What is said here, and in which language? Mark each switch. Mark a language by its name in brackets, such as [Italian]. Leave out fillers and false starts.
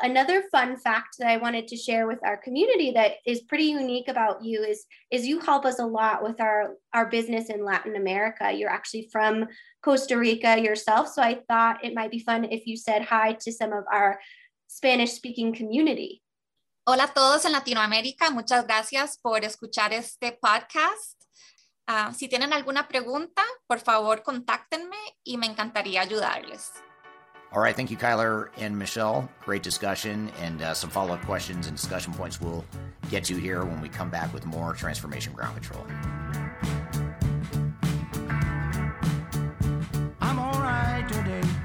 [English] Another fun fact that I wanted to share with our community that is pretty unique about you is you help us a lot with our business in Latin America. You're actually from Costa Rica yourself. So I thought it might be fun if you said hi to some of our Spanish-speaking community. [Spanish] Hola a todos en Latinoamérica. Muchas gracias por escuchar este podcast. Si tienen alguna pregunta, por favor, contáctenme y me encantaría ayudarles. [English] All right. Thank you, Kyler and Michelle. Great discussion and some follow-up questions and discussion points we'll get to here when we come back with more Transformation Ground Control. I'm all right today.